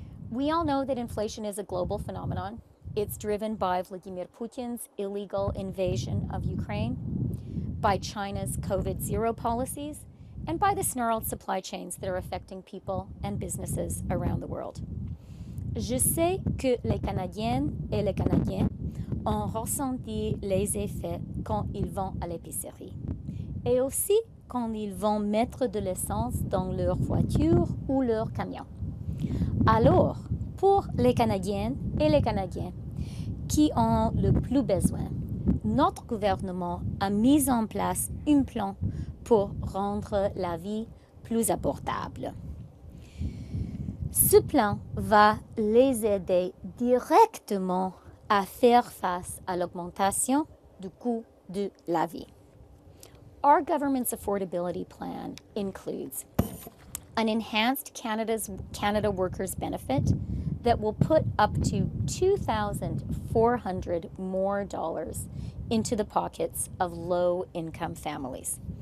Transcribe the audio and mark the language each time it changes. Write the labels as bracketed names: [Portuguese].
[English] We all know that inflation is a global phenomenon. It's driven by Vladimir Putin's illegal invasion of Ukraine, by China's COVID zero policies, and by the snarled supply chains that are affecting people and businesses around the world. [French] Je sais que les Canadiennes et les Canadiens ont ressenti les effets quand ils vont à l'épicerie et aussi quand ils vont mettre de l'essence dans leur voiture ou leur camion. Alors, pour les Canadiennes et les Canadiens qui ont le plus besoin, notre gouvernement a mis en place un plan pour rendre la vie plus abordable. Ce plan va les aider directement à faire face à l'augmentation du coût de la vie. [English] Our government's affordability plan includes an enhanced Canada workers benefit that will put up to $2,400 more dollars into the pockets of low-income families.